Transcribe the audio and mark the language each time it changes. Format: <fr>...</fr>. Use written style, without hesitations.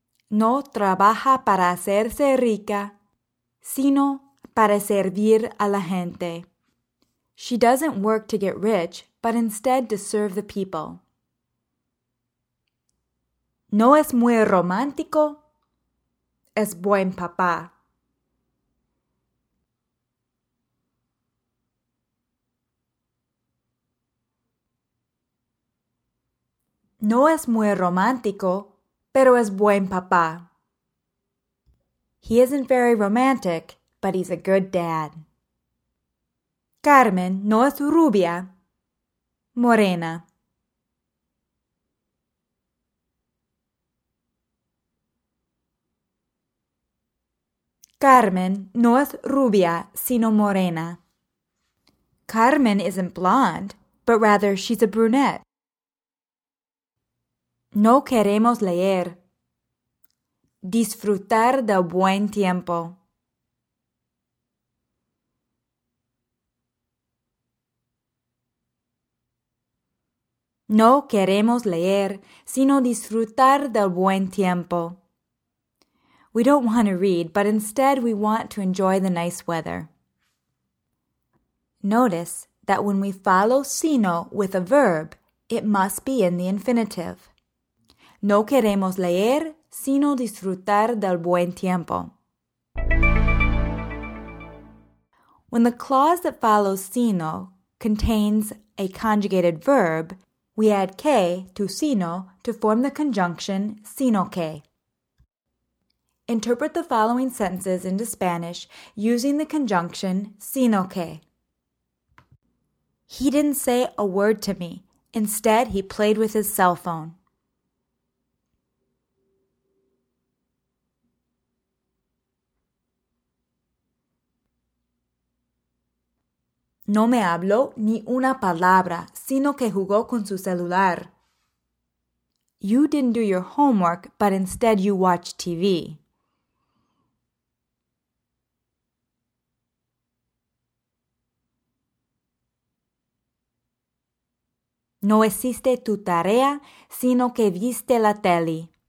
<es>No trabaja para hacerse rica, sino para servir a la gente.</es> <en>She doesn't work to get rich, but instead to serve the people.</en> <es>No es muy romántico. Es buen papá. No es muy romántico, pero es buen papá.</es> <en>He isn't very romantic, but he's a good dad.</en> <es>Carmen no es rubia, morena. Carmen no es rubia, sino morena.</es> <en>Carmen isn't blonde, but rather she's a brunette.</en> <es>No queremos leer. Disfrutar del buen tiempo. No queremos leer, sino disfrutar del buen tiempo.</es> <en>We don't want to read, but instead we want to enjoy the nice weather. Notice that when we follow sino with a verb, it must be in the infinitive.</en> <es>No queremos leer, sino disfrutar del buen tiempo.</es> <en>When the clause that follows sino contains a conjugated verb, we add que to sino to form the conjunction sino que. Interpret the following sentences into Spanish using the conjunction sino que. He didn't say a word to me. Instead, he played with his cell phone.</en> <es>No me habló ni una palabra, sino que jugó con su celular.</es> <en>You didn't do your homework, but instead you watched TV.</en> <es>No hiciste tu tarea, sino que viste la tele.</es>